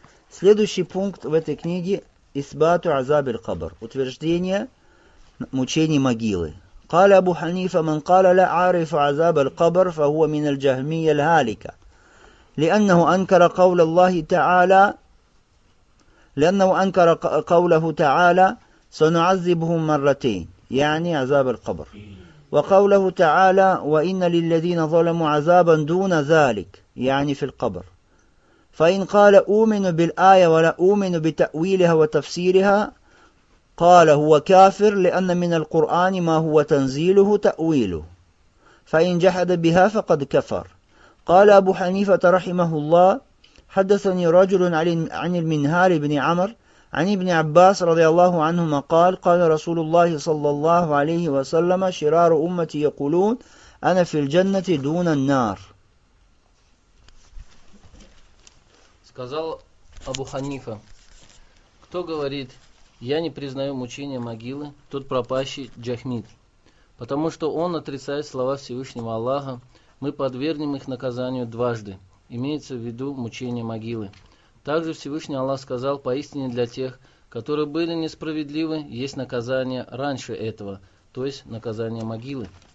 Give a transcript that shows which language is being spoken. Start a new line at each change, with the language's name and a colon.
Russian: Следующий пункт в этой книге «Исбату азабиль кабр» – утверждение мучений могилы.
Arabic: «Каля Абу Ханифа, ман каля ла арифа азабиль кабр, фа хуа мин аль джахмия аль халика, ли аннаху анкара кавла Аллахи Та'аля». لأنه أنكر قوله تعالى سنعذبهم مرتين يعني عذاب القبر وقوله تعالى وإن للذين ظلموا عذابا دون ذلك يعني في القبر فإن قال أؤمن بالآية ولا أؤمن بتأويلها وتفسيرها قال هو كافر لأن من القرآن ما هو تنزيله تأويله فإن جحد بها فقد كفر قال أبو حنيفة رحمه الله حدثني رجل عن المنهار بن عمر عن ابن عباس رضي الله عنهما قال قال رسول الله صلى الله عليه وسلم شرار أمتي يقولون أنا في الجنة دون النار.
Russian: Сказал Абу Ханифа, кто говорит, я не признаю мучения могилы, тот пропащий джахмит, потому что он отрицает слова Всевышнего Аллаха, мы подвергнем их наказанию дважды. Имеется в виду мучение могилы. Также Всевышний Аллах сказал, поистине для тех, которые были несправедливы, есть наказание раньше этого, то есть наказание могилы.